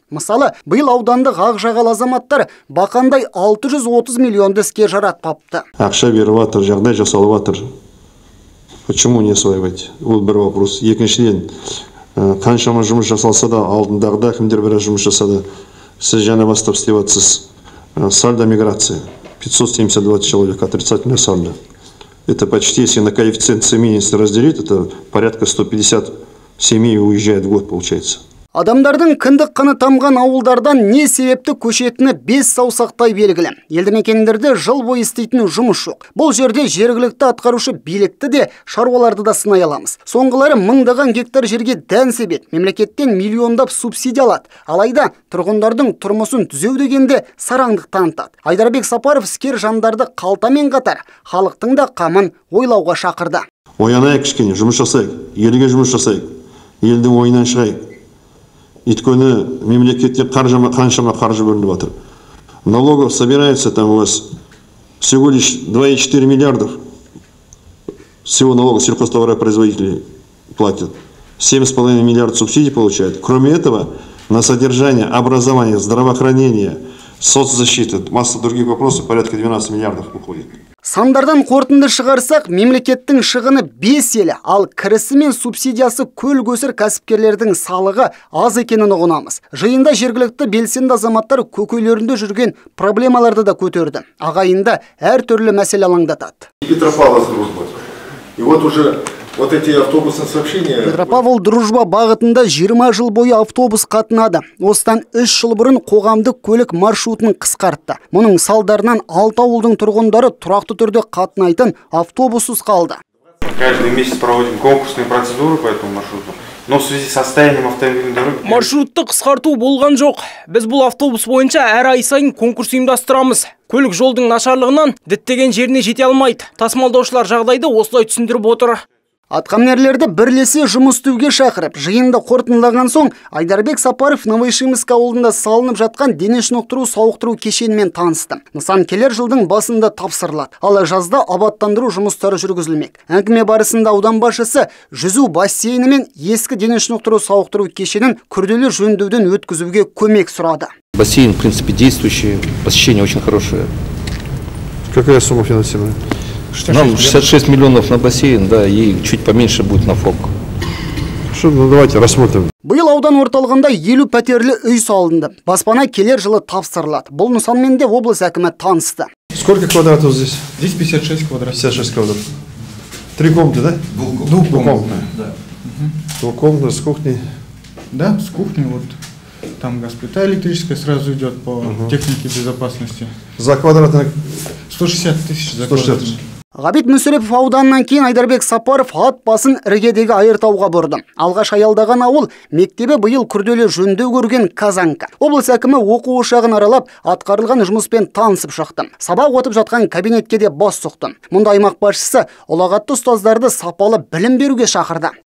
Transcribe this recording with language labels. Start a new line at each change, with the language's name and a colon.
Kazakh: Мысалы, биыл аудандық ақжағал азаматтар бақандай 630 миллионды іске жаратпапты. Ақша беріватыр, жағдай жасалыватыр.
Russian: Почему не осваивать? Вот
Kazakh: бір
Russian: вопрос.
Kazakh: Екіншіден, қаншама жұмыс жасалса да, алдындағыда кімдер біраз жұмыс жасады? Сіз жаңа бастап істеп жатсыз.
Russian: Сальдо миграция 572 человек, отрицательное сальдо. Это почти, если на коэффициент семей разделить, это порядка 150 семей уезжает в год получается.
Kazakh: Адамдардың кіндік қаны тамған ауылдардан не себепті көшетіні бес саусақтай белгілі. Елді мекендерде жыл бойы істейтін жұмыс жоқ. Бұл жерде жергілікті атқарушы билікті де шаруаларды да сынай аламыз. Соңғылары мыңдаған гектар жерге дән себет, мемлекеттен миллиондап субсидия алады. Алайда тұрғындардың тұрмысын түзеу дегенде сараңдық танытады. Айдарбек Сапаров іскер жандарды қалтамен қатар халықтың да қамын ойлауға шақырды. Оянайық кішкене, жұмыс жасайық, елге жұмыс жасайық, елдің ойынан шығайық. Өйткені мемлекетте қаншама қаржы бөлініп жатыр.
Russian: Налогов собирается там у вас всего лишь 2,4 миллиардов. Всего налогов сельхозтоваропроизводители платят. 7,5 миллиард субсидий получают. Кроме этого, на содержание, образование, здравоохранение, соцзащиты, масса других вопросов порядка 12 миллиардов уходит.
Kazakh: Сандардан қортынды шығарсақ, мемлекеттің шығыны 5 елі, ал кірісі мен субсидиясы көл көсір кәсіпкерлердің салығы аз екенін ұғынамыз. Жиында жергілікті белсенді азаматтар көкейлерінде жүрген проблемаларды да көтерді. Ағайынды әр түрлі мәселе алаңдатады. Петропавл Дружба бағытында 20 жыл бойы автобус қатынады. Осыдан 3 жыл бұрын қоғамдық көлік маршрутын қысқартты. Мұның салдарынан 6 ауылдың тұрғындары тұрақты түрде қатынайтын автобусыз қалды.
Russian: Каждый месяц проводим конкурсные процедуры по этому маршруту. Но в связи с состоянием автомобильной дороги...
Kazakh: Маршрутты қысқарту болған жоқ. Біз бұл автобус бойынша әр ай сайын конкурс ұйымдастырамыз. Көлік жолдың нашарлығынан діттеген жеріне жете алмайды. Тасымалдаушылар жағдайды осылай түсіндіріп отыр. Атқамнерлерді бірлесе жұмыс істеуге шақырып, жиында қорытындылаған соң Айдарбек Сапаров Новоишимск ауылында салынып жатқан дене шынықтыру сауықтыру кешенімен танысты. Нысан келер жылдың басында тапсырылады. Ал жазда абаттандыру жұмыстары жүргізілмек. Әңгіме барысында аудан басшысы жүзу бассейні мен ескі дене шынықтыру сауықтыру кешенін күрделі жөндеуден өткізуге көмек сұрады.
Russian: Бассейн, в принципе, действующий, посещение очень хорошее. Какая сумма финансирования? Нам 66 миллионов на бассейн, да, и чуть поменьше будет на фок. Что, ну давайте рассмотрим.
Kazakh: Биыл аудан орталығында 50 пәтерлі үй салынды. Баспана келер жылы тапсырылады. Бұл нысанмен де облыс әкімі танысты.
Russian: Сколько квадратов здесь? Здесь 56 квадратов. 56 квадратов. Три комнаты, да? Двухкомнатная. Двухкомнатная, с кухней. Да, с кухней. Вот там газ, плита электрическая сразу идет по технике безопасности. За квадратный... 160 тысяч за квадратный.
Kazakh: Ғабит Мүсірепов ауданынан кейін Айдарбек Сапаров ат басын іргедегі айыртауға бұрды. Алғаш аялдаған ауыл мектебі биыл күрделі жөндеу көрген Казанка. Облыс әкімі оқу ошағын аралап, атқарылған жұмыспен танысып шықты. Сабақ отып жатқан кабинетке де бас соқты. Мұнда аймақ басшысы ұлағатты ұстаздарды сапалы білім беруге шақырды.